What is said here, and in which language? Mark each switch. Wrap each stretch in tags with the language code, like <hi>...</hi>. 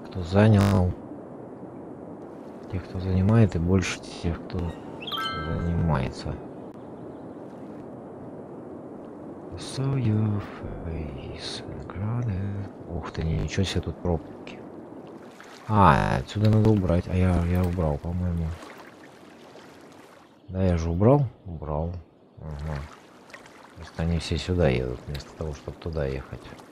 <ru>Занял тех, кто занимает, и больше тех, кто занимается.</ru> <en>I saw your face in the crowd.</en> <ru>Ух ты, ничего себе, тут пробки. А, отсюда надо убрать. А я убрал, по-моему. Да, я же убрал? Убрал. Угу. Просто они все сюда едут, вместо того, чтобы туда ехать.</ru>